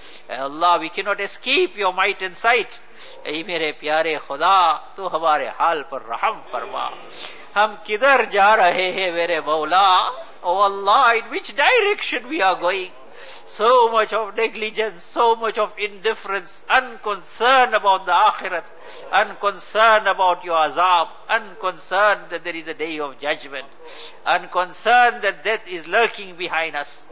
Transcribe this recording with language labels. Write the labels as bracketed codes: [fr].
[en] Allah, we cannot escape your might and sight. [ur] اے میرے پیارے خدا, تو ہمارے حال پر رحم فرما. ہم کدھر جا رہے ہیں میرے مولا. [en] Oh Allah, in which direction we are going? So much of negligence, so much of indifference, unconcerned about the akhirat, unconcerned about your azab, unconcerned that there is a day of judgment, unconcerned that death is lurking behind us.